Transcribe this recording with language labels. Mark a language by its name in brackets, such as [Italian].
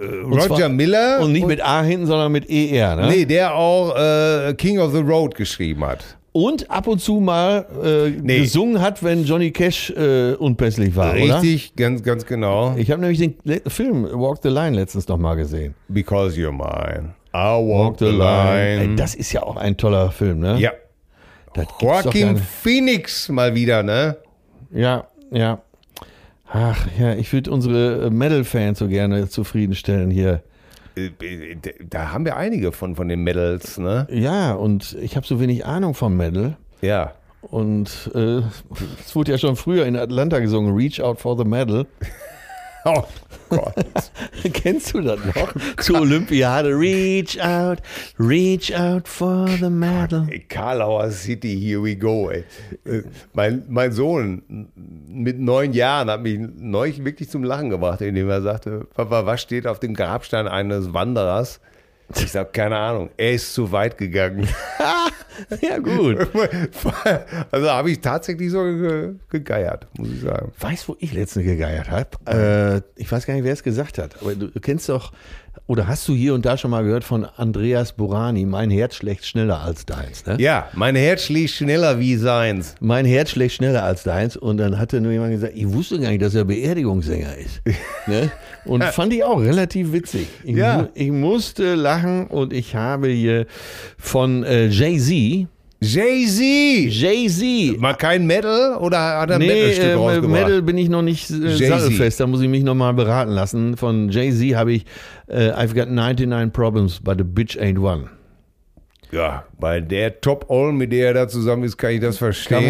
[German] Roger Miller. Und nicht mit A hinten, sondern mit ER. Ne? Nee, der auch King of the Road geschrieben hat. Und ab und zu mal gesungen hat, wenn Johnny Cash unpässlich war, richtig, oder? Richtig, ganz, ganz genau. Ich habe nämlich den Film Walk the Line letztens noch mal gesehen. [English] Because you're mine, I walk the line. [German] Ey, das ist ja auch ein toller Film, ne? Ja. Das Joaquin Phoenix mal wieder, ne? Ja, ja. Ach ja, ich würde unsere Metal-Fans so gerne zufriedenstellen hier. Da haben wir einige von den Metals, ne? Ja, und ich habe so wenig Ahnung vom Metal. Ja. Und es wurde ja schon früher in Atlanta gesungen, Reach Out for the Metal. Oh Gott. Kennst du das noch? Zur Olympiade, Reach Out for the Metal. [English] Hey, Karlauer City, here we go, ey. [German] Mein Sohn mit 9 Jahren hat mich neulich wirklich zum Lachen gebracht, indem er sagte, Papa, was steht auf dem Grabstein eines Wanderers? Ich sag, keine Ahnung, er ist zu weit gegangen. Ja, gut. Also habe ich tatsächlich so gegeiert, muss ich sagen. Weißt du, wo ich letztens gegeiert habe? Ich weiß gar nicht, wer es gesagt hat. Aber du kennst doch, oder hast du hier und da schon mal gehört von Andreas Burani, mein Herz schlägt schneller als deins. Ne? Ja, mein Herz schlägt schneller wie seins. Mein Herz schlägt schneller als deins. Und dann hatte nur jemand gesagt, ich wusste gar nicht, dass er Beerdigungssänger ist. Ne? Und fand ich auch relativ witzig. Ich musste lachen und ich habe hier von Jay-Z. Jay-Z. Mal kein Metal oder hat er ein Metal-Stück rausgebracht? Nee, Metal bin ich noch nicht sattelfest. Da muss ich mich noch mal beraten lassen. Von Jay-Z habe ich [English] I've got 99 problems, but a bitch ain't one. [German] Ja, bei der Top-All, mit der er da zusammen ist, kann ich das verstehen.